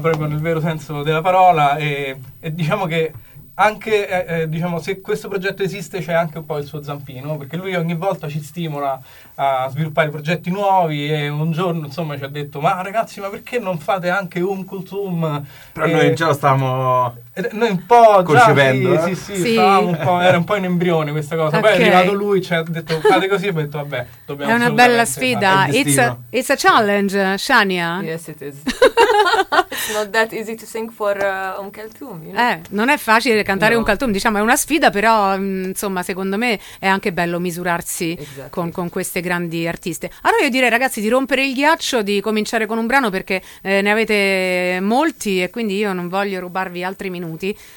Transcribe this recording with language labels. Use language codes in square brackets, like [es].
[it] Proprio nel vero senso della parola. E diciamo che anche diciamo, se questo progetto esiste, c'è anche un po' il suo zampino, perché lui ogni volta ci stimola a sviluppare progetti nuovi, e un giorno insomma ci ha detto: ma ragazzi, ma perché non fate anche Umm Kulthum? Però noi già stavamo noi un po' concependo, già, sì. Era un po' in embrione questa cosa, okay. Poi è arrivato lui, ci ha detto fate così, e ho detto vabbè, dobbiamo, è una bella sfida, [en] it's a challenge, [it] Shania. [en] Yes it is. It's not that easy to sing for Umm Kulthum, you know? [it] Non è facile cantare Umm Kulthum, diciamo, è una sfida, però insomma secondo me è anche bello misurarsi, [en] exactly, [it] con queste grandi artiste. Allora io direi, ragazzi, di rompere il ghiaccio, di cominciare con un brano, perché ne avete molti e quindi io non voglio rubarvi altri minuti.